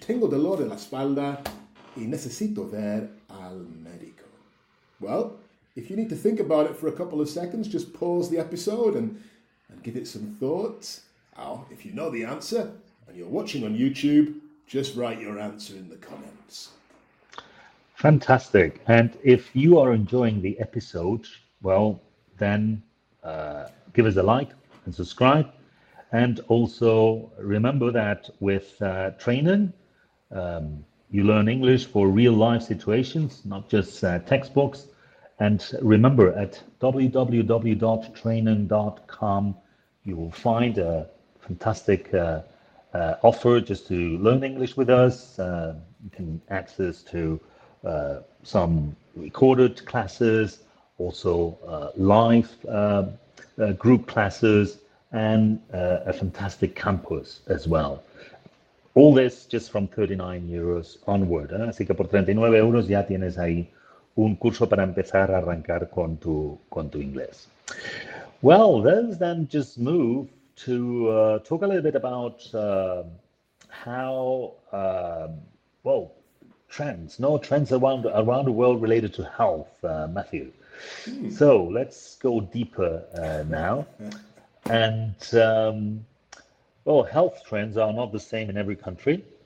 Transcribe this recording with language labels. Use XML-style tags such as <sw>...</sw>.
<es>Tengo dolor de la espalda y necesito ver al médico.</es> <en>Well, if you need to think about it for a couple of seconds, just pause the episode and give it some thought. Or if you know the answer and you're watching on YouTube, just write your answer in the comments. Fantastic. And if you are enjoying the episode, well, then give us a like and subscribe. And also remember that with training, you learn English for real life situations, not just textbooks. And remember at www.training.com/ you will find a fantastic offer just to learn English with us. You can access to some recorded classes, also live group classes, and a fantastic campus as well. All this just from 39 euros onward.</en> <es>Así que por 39 euros ya tienes ahí un curso para empezar a arrancar con tu inglés.</es> <en>Well, let's then just move to talk a little bit about how, well, trends, no trends around the world related to health, Matthew. So let's go deeper now. And, well, health trends are not the same in every country.</en>